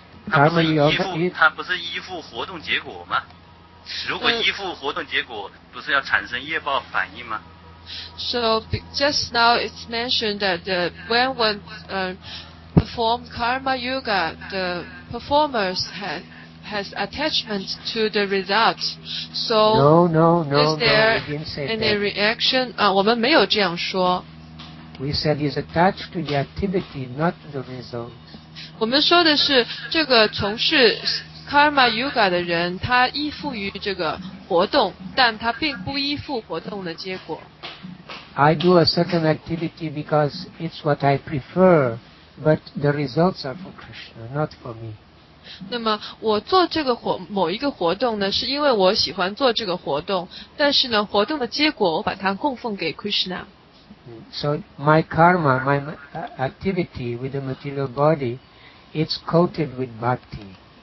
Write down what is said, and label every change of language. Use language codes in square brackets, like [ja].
[zh] 它不是依附活动结果吗？如果依附活动结果，不是要产生业报反应吗？ [en] So just now it's mentioned that when one perform Karma Yoga, the performers has attachment to the result. So no, is there any reaction? [zh] 我们没有这样说。 [en] We said he's attached to the activity, not to the result. [zh] 我们说的是这个从事 karma yoga 的人，他依附于这个活动，但他并不依附活动的结果。 [en] I do a certain activity because it's what I prefer, but the results are for Krishna, not for me. [zh] 那么我做这个某一个活动呢，是因为我喜欢做这个活动，但是呢，活动的结果我把它供奉给 Krishna。 [en] So my karma, my activity with the material body, it's coated with bhakti.